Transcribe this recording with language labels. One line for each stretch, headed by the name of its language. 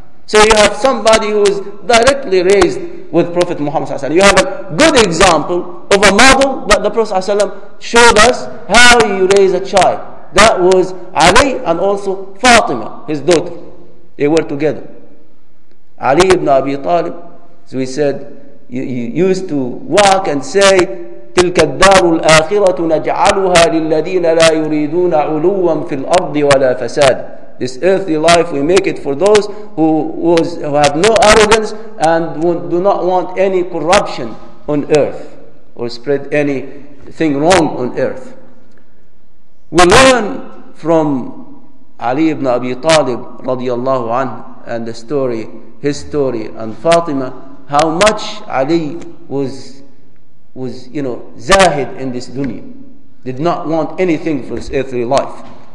English: So you have somebody who is directly raised with Prophet Muhammad sallallahu alayhi wa sallam. You have a good example of a model that the Prophet sallallahu alayhi wa sallam showed us how you raise a child. That was Ali and also Fatima, his daughter. They were together. Ali ibn Abi Talib, as we said, you used to walk and say,
Arabic: تلك الدار الآخرة نجعلها للذين لا يريدون علوا في الأرض ولا فساد.
English: This earthly life, we make it for those who have no arrogance and do not want any corruption on earth or spread anything wrong on earth. We learn from Ali ibn Abi Talib radiallahu anhu and the story, his story, and Fatima, how much Ali was zahid in this dunya, did not want anything for his earthly life.